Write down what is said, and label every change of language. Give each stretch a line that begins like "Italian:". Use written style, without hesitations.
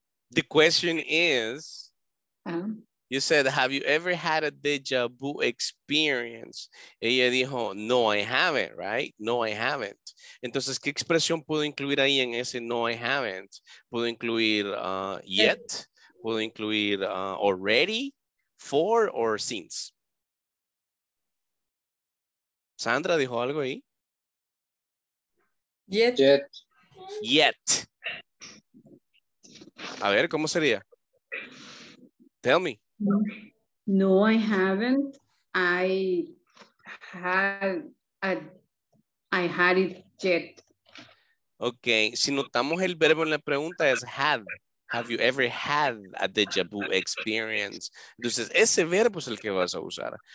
English: The question is, you said, have you ever had a deja vu experience?
Spanish: Ella dijo,
English: no, I haven't, right? No, I haven't.
Spanish: Entonces, ¿qué expresión puedo incluir ahí en ese
English: no, I haven't?
Spanish: ¿Puedo incluir yet? Puedo incluir already, for, or since. Sandra dijo algo ahí.
English: Yet.
Spanish: A ver, ¿cómo sería?
English: Tell me. No, I haven't. I had I had it yet.
Spanish: Ok, si notamos el verbo en la pregunta es had.
English: Have you ever had a déjà vu experience?
Spanish: Entonces, ese verbo es el que vas a usar.